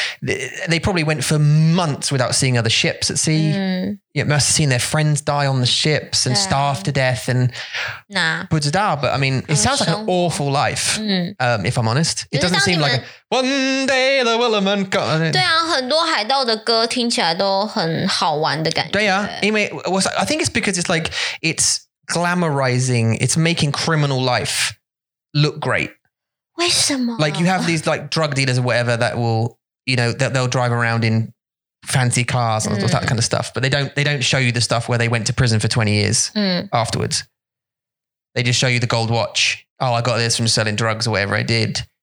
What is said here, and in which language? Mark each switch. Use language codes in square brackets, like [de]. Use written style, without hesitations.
[en] They probably went for months without seeing other ships at sea. Mm. Yeah, must have seen their friends die on the ships and starved to death. And nah. But I mean, it sounds like an awful life, if I'm honest. It doesn't seem like a one day the Willowman come. [zh] 对啊，很多海盗的歌听起来都很好玩的感觉。对啊，因为我 [en] think it's because it's like it's glamorizing, it's making criminal life look great. [zh] 为什么? [en] Like you have these like drug dealers or whatever that will, you know, that they'll drive around in fancy cars and all that kind of stuff, but they don't show you the stuff where they went to prison for 20 years afterwards. They just show you the gold watch. Oh, I got this from selling drugs or whatever I did.